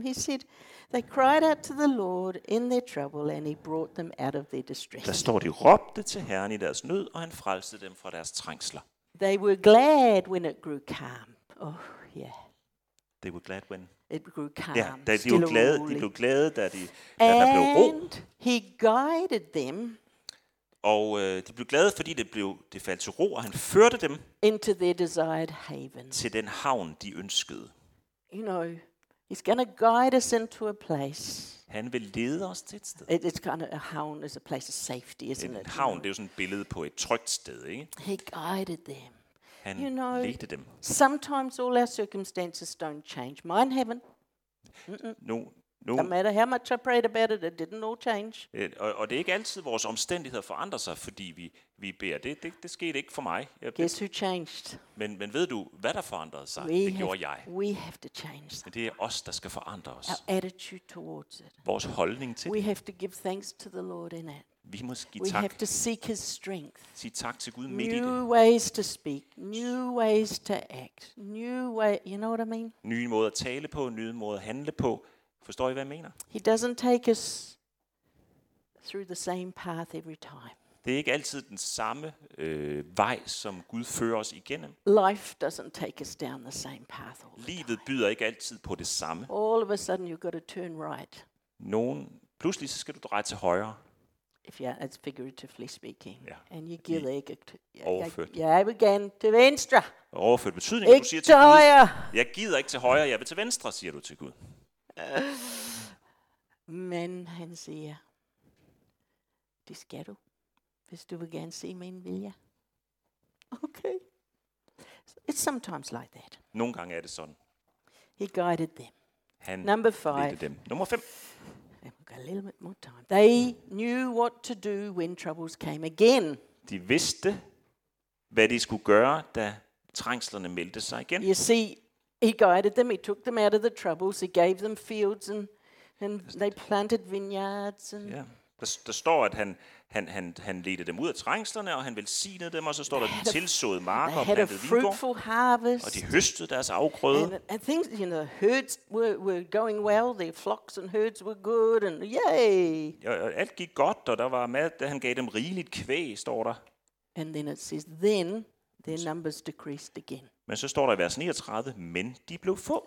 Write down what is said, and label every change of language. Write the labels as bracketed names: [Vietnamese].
[English] He said, they cried out to the Lord in their trouble, and he brought them out of their distress. [Danish] Der står, de råbte til Herren i deres nød, og han frelste dem fra deres trængsler. [English] They were glad when it grew calm. Oh, yeah. They were glad when it grew calm. [Danish] Ja, de blev glade, da der blev ro. [English] And he guided them. [Danish] Og de blev glade, fordi det faldt til ro, og han førte dem [English] into their desired haven. [Danish] Til den havn, de ønskede. [English] You know, He's going to guide us into a place. [Danish] Han vil lede os til et sted. [English] It's kind of a haven is a place of safety, isn't it? [Danish] En havn, det er jo sådan et billede på et trygt sted, ikke? [English] He guided them. [Danish] Han [English] you know, [Danish] ledte dem. [English] Sometimes all our circumstances don't change. Mine haven't. No matter how much I prayed about it, it didn't all change. [Danish] Og det er ikke altid vores omstændigheder forandrer sig, fordi vi beder. Det skete ikke for mig. [English] Guess who changed? [Danish] Men ved du, hvad der forandrede sig? Gjorde jeg. [English] We have to change something. [Danish] Det er os, der skal forandre os. [English] Our attitude towards it. [Danish] Vores holdning til [English] we [Danish] det. [English] We have to give thanks to the Lord in it. [Danish] Vi må give [English] we [Danish] tak. [English] We have to seek his strength. [Danish] Sige tak til Gud midt i det. [English] New ways to speak, new ways to act, new way, you know what I mean? [Danish] Nye måder at tale på, nye måder at handle på. Forstår I, hvad jeg mener? [English] He doesn't take us through the same path every time. [Danish] Det er ikke altid den samme vej, som Gud fører os igennem. [English] Life doesn't take us down the same path all the time. [Danish] Livet byder ikke altid på det samme. [English] All of a sudden you've got to turn right. [Danish] Pludselig så skal du dreje til højre. [English] If you're it's figuratively speaking. Yeah. And you give it [Danish] overført. Jeg vil gerne til venstre. Overført betydning, du siger til højre. Gud. Jeg gider ikke til højre, jeg vil til venstre, siger du til Gud. Men han siger, det skal du, hvis du vil gerne se min vilje. Okay. [English] So it's sometimes like that. [Danish] Nogle gange er det sådan. [English] He guided them. [Danish] Han [English] Number five. [Danish] Ledte dem. Nummer fem. [English] We've got a little bit more time. They knew what to do when troubles came again. [Danish] De vidste, hvad de skulle gøre, da trængslerne meldte sig igen. [English] You see, he guided them, he took them out of the troubles, he gave them fields and they planted vineyards and [Danish] Der står at han ledte dem ud af trængslerne og han velsignede dem og så står der de tilsåede marker og plantede vingård. Og de høstede deres afgrøde. [English] And things, you know, herds were going well, their flocks and herds were good and yay. [Danish] Ja, alt gik godt og der var mad, da han gav dem rigeligt kvæg, står der. [English] And then it says then their numbers decreased again. [Danish] Men så står der i vers 39, men de blev få.